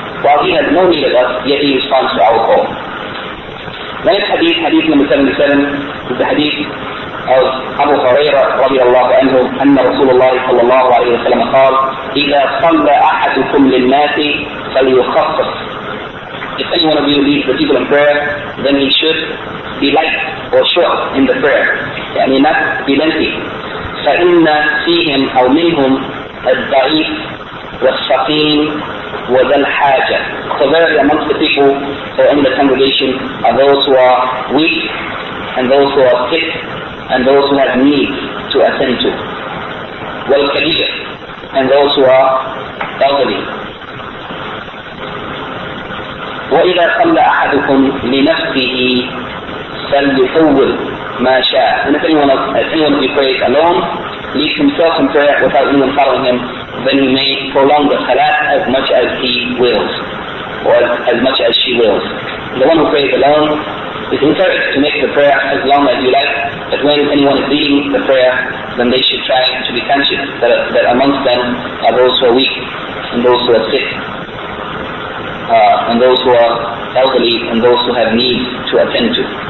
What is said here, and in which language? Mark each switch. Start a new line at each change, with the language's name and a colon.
English: While He has no need of us, yet He responds to our call. Next hadith, hadith number 77, is the hadith of Abu Huraira radiallahu anhu,
Arabic: anna Rasulullah sallallahu alayhi wa sallam qal, إِذَا صَلَّى أَحَدُكُمْ لِلنَّاسِ فَلْيُخَفَّفْ.
English: If any one of you leads the people in prayer, then he should be light or short in the prayer.
Arabic: يعني
English: not be lengthy.
Arabic: فَإِنَّ فِيهِمْ أَوْ مِنْهُمْ الضعيف والسقيم وذا الحاجة.
English: So verily amongst the people or in the congregation are those who are weak and those who are sick and those who have need to attend to.
Arabic: والكبير
English: and those who are elderly.
Arabic: وإذا صلى أحدكم لنفسه فليطول ما شاء.
English: And if anyone be prayed alone, leaves himself in prayer without anyone following him, then he may prolong the salat as much as he wills, or as much as she wills. The one who prays alone is encouraged to make the prayer as long as you like, but when anyone is leading the prayer, then they should try to be conscious that amongst them are those who are weak, and those who are sick, and those who are elderly, and those who have needs to attend to.